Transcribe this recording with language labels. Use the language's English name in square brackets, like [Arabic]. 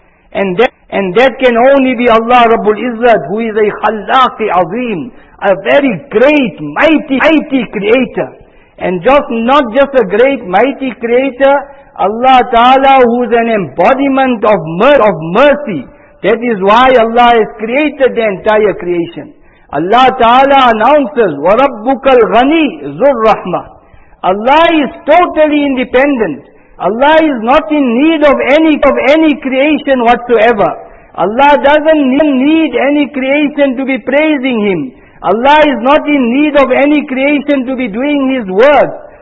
[English] And that can only be Allah Rabbul Izzat, who is a khallaqi azim, a very great, mighty creator. And not just a great mighty creator, Allah Ta'ala, who is an embodiment of mercy. That is why Allah has created the entire creation. Allah Ta'ala announces, [Arabic] وَرَبُّكَ الْغَنِي ذُو الرَّحْمَةِ. [English] Allah is totally independent. Allah is not in need of any creation whatsoever. Allah doesn't need any creation to be praising Him. Allah is not in need of any creation to be doing His work.